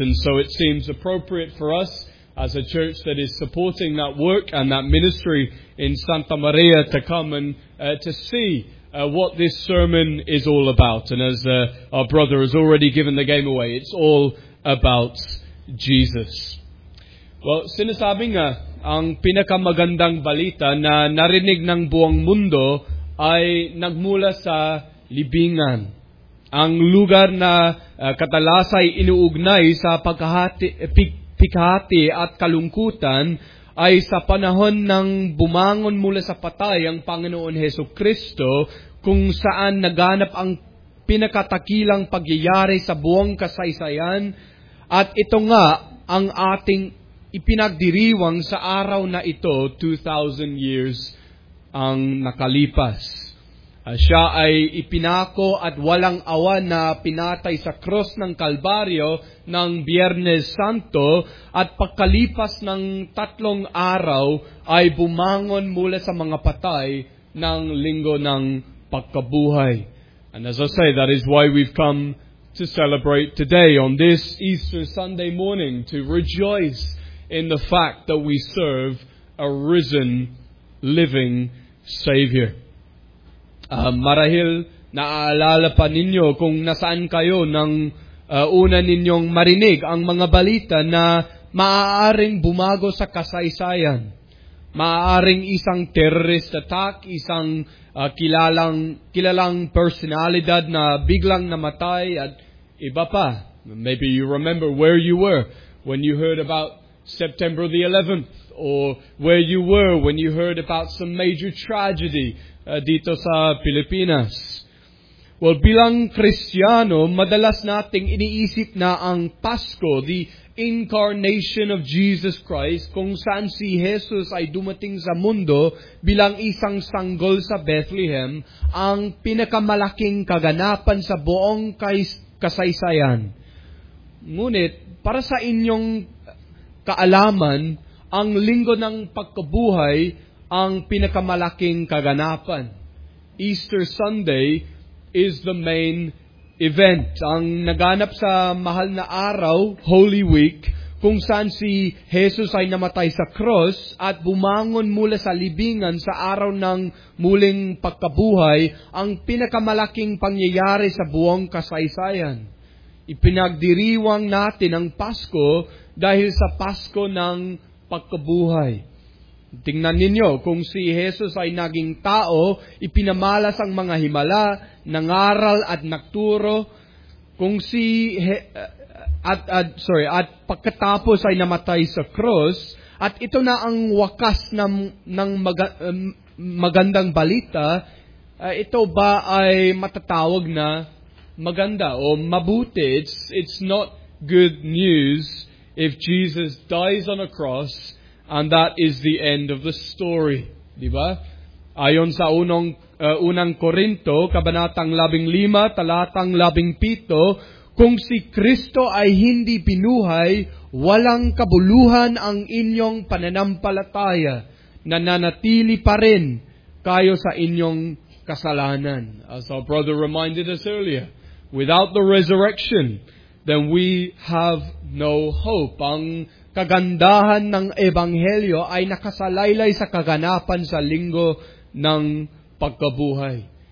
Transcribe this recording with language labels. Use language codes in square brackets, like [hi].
[en] And so it seems appropriate for us as a church that is supporting that work and that ministry in Santa Maria to come and to see what this sermon is all about. And as our brother has already given the game away, it's all about Jesus. [tl] Well, sinasabi nga, ang pinakamagandang balita na narinig ng buong mundo ay nagmula sa libingan. Ang lugar na katalasa'y inuugnay sa pighati at kalungkutan ay sa panahon ng bumangon mula sa patay ang Panginoon Hesukristo, kung saan naganap ang pinakatakilang pagyayari sa buong kasaysayan, at ito nga ang ating ipinagdiriwang sa araw na ito, 2,000 years ang nakalipas. Siya ay ipinako at walang awa na pinatay sa cross ng Kalbaryo ng Biyernes Santo, at pagkalipas ng tatlong araw ay bumangon mula sa mga patay ng Linggo ng Pagkabuhay. [en] And as I say, that is why we've come to celebrate today on this Easter Sunday morning, to rejoice in the fact that we serve a risen, living Savior. [tl] Marahil naaalala pa ninyo kung nasaan kayo nang una ninyong marinig ang mga balita na maaaring bumago sa kasaysayan. Maaaring isang [en] terrorist attack, [tl] isang kilalang personalidad na biglang namatay at iba pa. [en] Maybe you remember where you were when you heard about September the 11th, or where you were when you heard about some major tragedy [tl] dito sa Pilipinas. Well, bilang Kristiyano, madalas nating iniisip na ang Pasko, [en] the incarnation of Jesus Christ, [tl] kung saan si Jesus ay dumating sa mundo bilang isang sanggol sa Bethlehem, ang pinakamalaking kaganapan sa buong kasaysayan. Ngunit, para sa inyong kaalaman, ang Linggo ng Pagkabuhay ang pinakamalaking kaganapan. [en] Easter Sunday is the main event. [tl] Ang naganap sa mahal na araw, Holy Week, kung saan si Jesus ay namatay sa cross at bumangon mula sa libingan sa araw ng muling pagkabuhay, ang pinakamalaking pangyayari sa buong kasaysayan. Ipinagdiriwang natin ang Pasko dahil sa Pasko ng pagkabuhay. Tingnan ninyo, kung si Jesus ay naging tao, ipinamalas ang mga himala, nangaral at nagturo, kung si at pagkatapos ay namatay sa cross, at ito na ang wakas ng magandang balita, ito ba ay matatawag na maganda o mabuti? [en] It's not good news if Jesus dies on a cross and that is the end of the story, [tl] di ba? Ayon sa unang Korinto, kabanatang 15, talatang 17, kung si Kristo ay hindi binuhay, walang kabuluhan ang inyong pananampalataya, nananatili pa rin kayo sa inyong kasalanan. [en] As our brother reminded us earlier, without the resurrection, then we have no hope. [tl] Ang kagandahan ng Ebanghelyo ay nakasalaylay sa kaganapan sa Linggo ng Pagkabuhay.